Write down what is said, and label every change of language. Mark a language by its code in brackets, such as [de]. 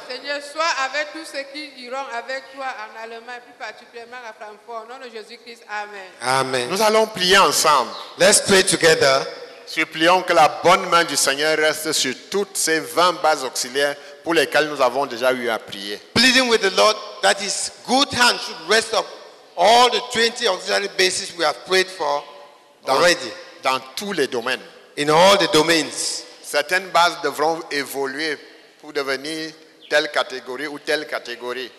[fr] Seigneur, sois avec tous ceux qui iront avec toi en Allemagne, plus particulièrement à Francfort, au nom de Jésus-Christ. Amen. Amen. Nous allons prier ensemble. [en] Let's pray together. [fr] Supplions que la bonne main du Seigneur reste sur toutes ces 20 bases auxiliaires pour lesquelles nous avons déjà eu à prier. [en] Pleading with the Lord that his good hand should rest up all the 20 auxiliary bases we have prayed for already. [fr] Dans tous les domaines. [en] In all the domains. [fr] Certaines bases devront évoluer pour devenir telle catégorie ou telle catégorie.